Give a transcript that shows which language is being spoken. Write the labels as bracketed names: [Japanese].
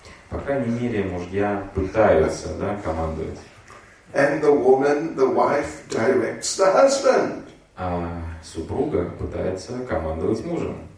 [Russian] По крайней мере, мужья пытаются, да, командовать. [English] And the woman, the wife, directs the husband. [Russian] А супруга пытается командовать мужем.